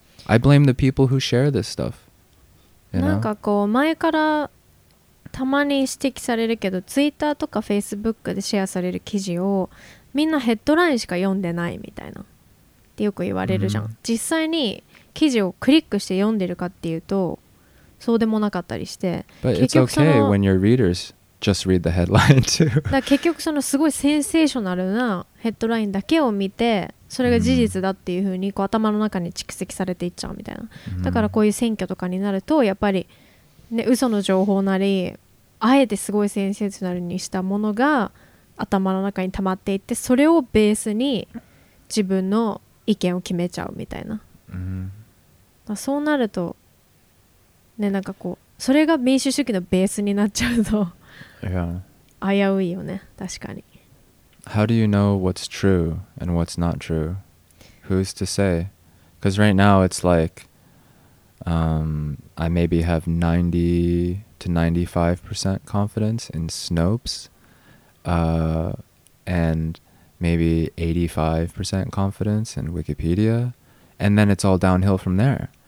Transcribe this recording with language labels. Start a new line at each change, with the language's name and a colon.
English: I blame the people who share this stuff. You know?
Japanese: なんかこう前からたまに指摘されるけど、Twitter とか Facebook でシェアされる記事をみんなヘッドラインしか読んでないみたいなってよく言われるじゃん。 Mm-hmm. 実際に記事をクリックして読んでるかっていうとそうでもなかったりして。
English: But it's okay when your readers... Just read the headline too.
Japanese: だ結局そのすごいセンセーショナルなヘッドラインだけを見て、それが事実だっていう風にこう頭の中に蓄積されていっちゃうみたいな。だからこういう選挙とかになるとやっぱりね、嘘の情報なり、あえてすごいセンセーショナルにしたものが頭の中に溜まっていって、それをベースに自分の意見を決めちゃうみたいな。だそうなるとね、なんかこうそれが民主主義のベースになっちゃうと。
English: Yeah.
Japanese: 危ういよね、確かに。
English: How do you know what's true and what's not true? Who's to say? Because right now it's like, I maybe have 90 to 95% confidence in Snopes, and maybe 85% confidence in Wikipedia, and then it's all downhill from there.